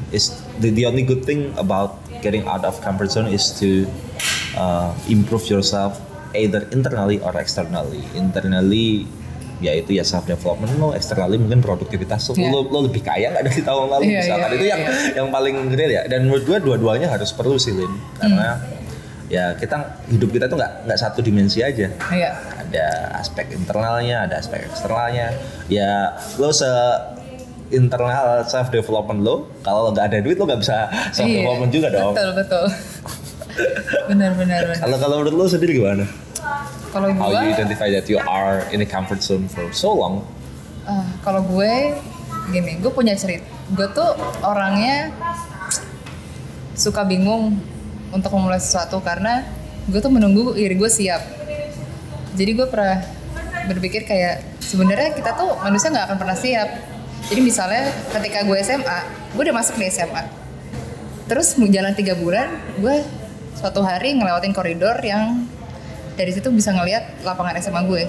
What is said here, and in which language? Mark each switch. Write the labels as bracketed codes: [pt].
[en] Is the only good thing about getting out of comfort zone is to improve yourself either internally or externally. [id] Internally yaitu ya self development lo, externally mungkin produktivitas lo, lo lebih kaya nggak dari tahun lalu misalkan, itu yang paling real ya. Dan menurut gue dua-duanya harus perlu sih Lin, karena ya kita hidup kita tuh nggak satu dimensi aja, ada aspek internalnya, ada aspek eksternalnya. Ya lo se internal self development lo, kalau lo nggak ada duit lo nggak bisa self development juga dong. Betul benar. Kalau menurut lo sendiri gimana? Kalau gue, [en] how you identify that you are in a comfort zone for so long? [id] Kalau gue, gini, gue punya cerita. Gue tuh orangnya suka bingung untuk memulai sesuatu karena gue tuh menunggu diri gue siap. Jadi gue pernah berpikir kayak sebenarnya kita tuh manusia nggak akan pernah siap. Jadi misalnya ketika gue SMA, gue udah masuk nih SMA. Terus jalan 3 bulan, gue suatu hari ngelewatin koridor yang dari situ bisa ngelihat lapangan SMA gue.